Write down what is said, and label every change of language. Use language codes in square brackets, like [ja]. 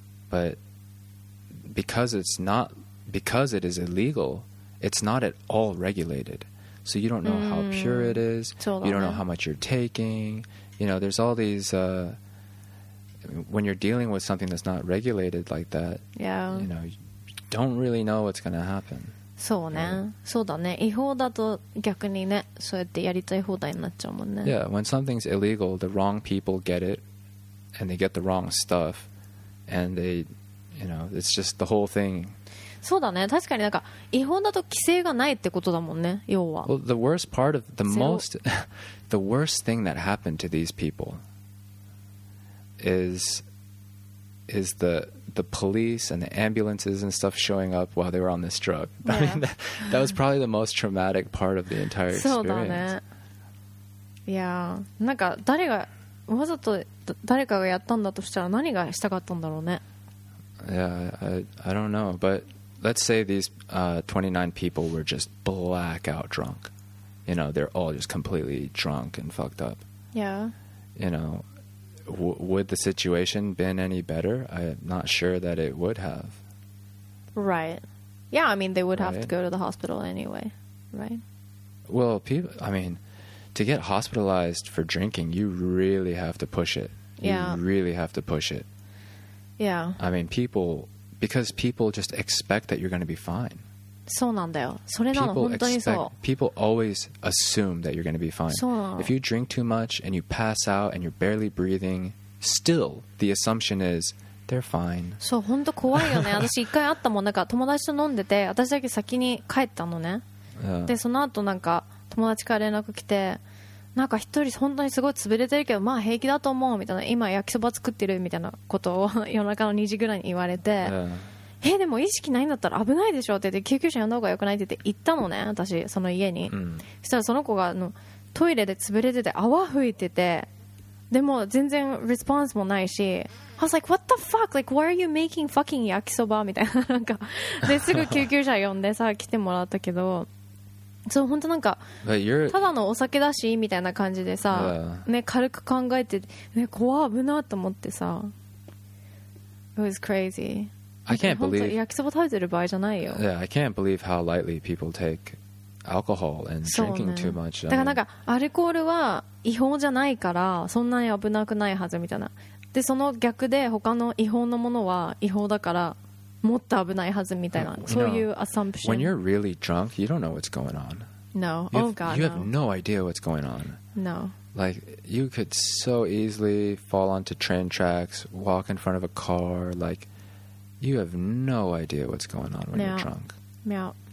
[en] But because it's not, because it is illegal, it's not at all regulated. So you don't know how pure it is. Totally. You don't know how much you're taking. You know, there's all these when you're dealing with something that's not regulated like that, yeah. you know, you don't really know what's going to happen. [ja] そうね、そうだね。違法だと逆にね、そうやってやりたい放題になっちゃうもんね。 [en] Yeah, when something's illegal, the wrong people get it, and they get the wrong stuff, and they, you know, it's just the whole thing. [ja] そうだね、確かになんか違法だと規制がないってことだもんね、要は。 [en] Well, the worst part of the most, the worst thing that happened to these people is the police and the ambulances and stuff showing up while they were on this drug. Yeah. I mean, that was probably the most traumatic part of the entire experience. [ja] そうだね。いや、なんか誰がわざと誰かがやったんだとしたら何がしたかったんだろうね。 [en] Yeah, I don't know. But let's say these 29 people were just blackout drunk. You know, they're all just completely drunk and fucked up. Yeah. You know,would the situation been any better? I'm not sure that it would have. Right. Yeah, I mean, they would have to go to the hospital anyway, right? Well, people, I mean, to get hospitalized for drinking, you really have to push it. Yeah. You really have to push it. Yeah. I mean, people just expect that you're going to be fine. [ja] そうなんだよ。それなの、本当にそう。 [en] People always assume that you're going to be fine. [ja] そうなの。 [en] If you drink too much and you pass out and you're barely breathing, still the assumption is they're fine. [ja] そう、本当怖いよね。私一回会ったもん、なんか友達と飲んでて、私だけ先に帰ったのね。 [en] Yeah. [ja] で、その後なんか友達から連絡来て、なんか一人本当にすごい潰れてるけど、まあ平気だと思うみたいな、今焼きそば作ってるみたいなことを夜中の2時ぐらいに言われて。 [en] Yeah. [ja] え、でも意識ないんだったら危ないでしょって言って、救急車呼んだ方が良くないって言って行ったのね、私その家に、うん、そしたらその子があのトイレで潰れてて泡吹いてて、でも全然リスポンスもないし、 [en] I was like what the fuck, like why are you making fucking [ja] 焼きそばみたいな、なんかですぐ救急車呼んでさ来てもらったけど、そう本当なんかただのお酒だしみたいな感じでさ、ね、軽く考えて、ね、怖い危なと思ってさ、 [en] It was crazy。 I can't believe [ja] 焼きそば食べてる場合じゃないよ。 [en] Yeah, I can't believe how lightly people take alcohol and drinking、 too much. [ja] だからなんかアルコールは違法じゃないからそんなに危なくないはずみたいな。でその逆で他の違法のものは違法だからもっと危ないはずみたいな。そういうアサンプション。 [en] When you're really drunk, you don't know what's going on. No. Oh God. You have no idea what's going on. No. Like you could so easily fall onto train tracks, walk in front of a car, like. You have no idea what's going on when you're drunk. Yeah.